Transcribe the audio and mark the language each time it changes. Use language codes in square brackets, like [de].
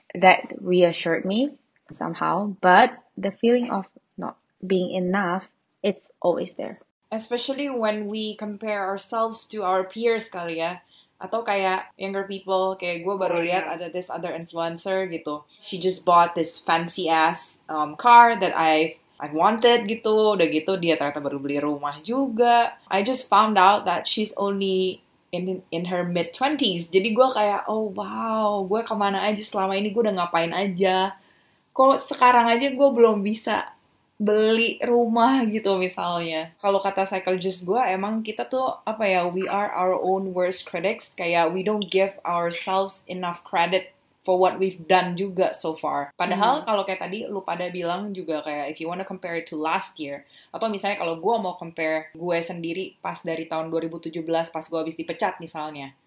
[en] That reassured me somehow, but the feeling of not being enough, it's always there. Especially when we compare ourselves to our peers [id] kali ya. Atau kayak younger people, kayak gue baru lihat ada [en] this other influencer [id] gitu. [en] She just bought this fancy ass car that I've wanted gitu. [id] Udah gitu dia ternyata baru beli rumah juga. [en] I just found out that she's only in her mid-20s. [id] Jadi gue kayak, oh wow, gue kemana aja selama ini, gue udah ngapain aja. Kok sekarang aja gue belum bisa beli rumah gitu misalnya. Kalau kata psychologist gue, emang kita tuh apa ya, [en] we are our own worst critics. Kayak we don't give ourselves enough credit for what we've done [id] juga [en] so far. [id] Padahal kalau kayak tadi lu pada bilang juga kayak [en] if you wanna compare it to last year, [id] atau misalnya kalau gue mau compare gue sendiri pas dari tahun 2017 pas gue habis dipecat misalnya.